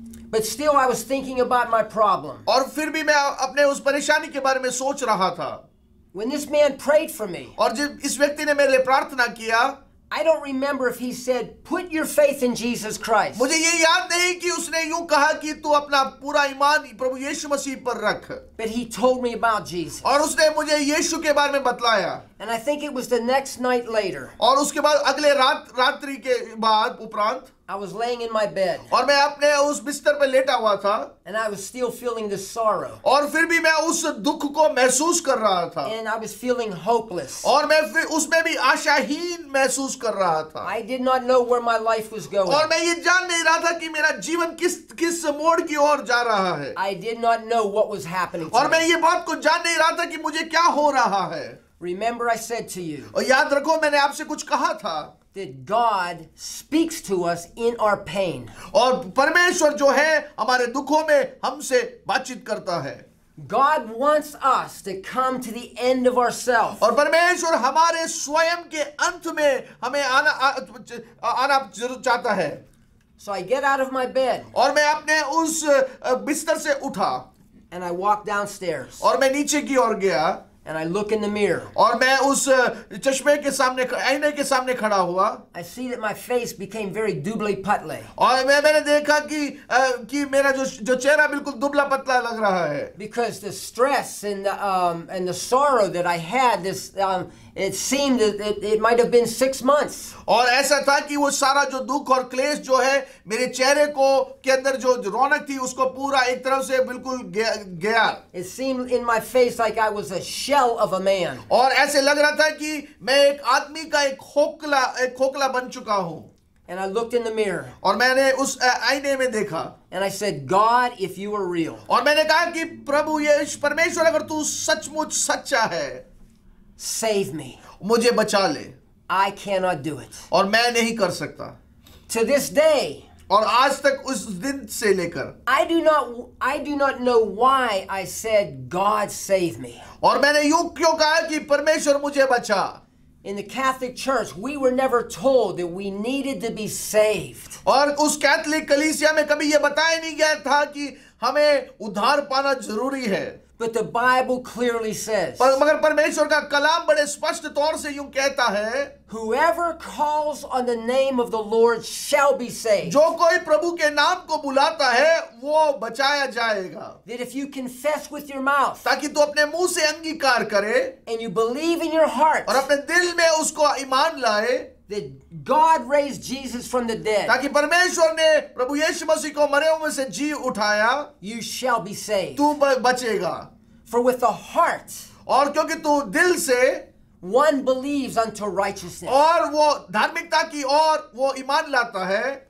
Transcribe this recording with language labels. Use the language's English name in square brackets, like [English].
[English] But still I was thinking about my problem. [Hindi] और फिर भी मैं अपने उस परेशानी के बारे में सोच रहा था. [English] When this man prayed for me, [Hindi] और जब इस व्यक्ति ने मेरे लिए प्रार्थना किया, [English] I don't remember if he said, "Put your faith in Jesus Christ." [Hindi] मुझे ये याद नहीं कि उसने यूँ कहा कि तू अपना पूरा ईमान प्रभु यीशु मसीह पर रख. [English] But he told me about Jesus. [Hindi] और उसने मुझे यीशु के बारे में बतलाया. [English] And I think it was the next night later. [Hindi] और उसके बाद अगले रात्रि के बाद उपरांत. [English] I was laying in my bed. [Hindi] और मैं अपने उस बिस्तर पे लेटा हुआ था. [English] And I was still feeling the sorrow. [Hindi] और फिर भी मैं उस दुख को महसूस कर रहा था. [English] And I was feeling hopeless. [Hindi] और मैं फिर उसमें भी आशाहीन महसूस कर रहा था. [English] I did not know where my life was going. [Hindi] और मैं ये जान नहीं रहा था कि मेरा जीवन किस मोड़ की ओर जा रहा है. [English] I did not know what was happening. [Hindi] और मैं ये बात को जान नहीं रहा था कि मुझे क्या हो रहा है. [English] Remember, I said to you. [Hindi] और याद रखो मैंने आपसे कुछ कहा था. [English] That God speaks to us in our pain. [Hindi] और परमेश्वर जो है हमारे दुखों में हमसे बातचीत करता है. [English] God wants us to come to the end of ourselves. [Hindi] और परमेश्वर हमारे स्वयं के अंत में हमें आना चाहता है. [English] So I get out of my bed. [Hindi] और मैं अपने उस बिस्तर से उठा. [English] And I walk downstairs. [Hindi] और मैं नीचे की ओर गया. [English] And I look in the mirror. [Hindi] और मैं उस चश्मे के सामने आईने के सामने खड़ा हुआ. [English] I see that my face became very dubbly putly. [Hindi] और मैंने देखा कि मेरा जो चेहरा बिल्कुल दुबला पतला लग रहा है. [English] Because the stress and the sorrow that I had it seemed that it might have been 6 months. [Hindi] और ऐसा था कि वो सारा जो दुख और क्लेश जो है मेरे चेहरे को के अंदर जो रौनक थी उसको पूरा एक तरह से बिल्कुल गया. [English] It seemed in my face like I was a shell of a man. [Hindi] और ऐसे लग रहा था कि मैं एक आदमी का एक खोखला बन चुका हूँ. [English] And I looked in the mirror. [Hindi] और मैंने उस आईने में देखा. [English] And I said, God, if you are real. [Hindi] और मैंने कहा कि प्रभु यीशु परमेश्वर अगर तू सचमुच सच्चा है. [English] Save me. [Hindi] मुझे बचा ले. [English] I cannot do it. [Hindi] और मैं नहीं कर सकता. [English] To this day. [Hindi] और आज तक उस दिन से लेकर. [English] I do not know why I said, God save me. [Hindi] और मैंने यूँ क्यों कहा कि परमेश्वर मुझे बचा. [English] In the Catholic Church, we were never told that we needed to be saved. [Hindi] और उस कैथोलिक कलीसिया में कभी ये बताया नहीं गया था कि हमें उद्धार पाना जरूरी है. [English] But the Bible clearly says. [Hindi] मगर परमेश्वर का कलाम बड़े स्पष्ट तौर से यूं कहता है. [English] Whoever calls on the name of the Lord shall be saved. [Hindi] जो कोई प्रभु के नाम को बुलाता है वो बचाया जाएगा. [English] That if you confess with your mouth. [Hindi] ताकि तू अपने मुंह से अंगीकार करे. [English] And you believe in your heart. [Hindi] और अपने दिल में उसको ईमान लाए. [English] That God raised Jesus from the dead. [Hindi] ताकि परमेश्वर ने प्रभु यीशु मसीह को मरे हुए से जी उठाया. [English] You shall be saved. [Hindi] तू बचेगा. [English] For with the heart. [Hindi] और क्योंकि तू दिल से. [English] One believes unto righteousness. [Hindi] और वो धार्मिकता की ओर वो ईमान लाता है.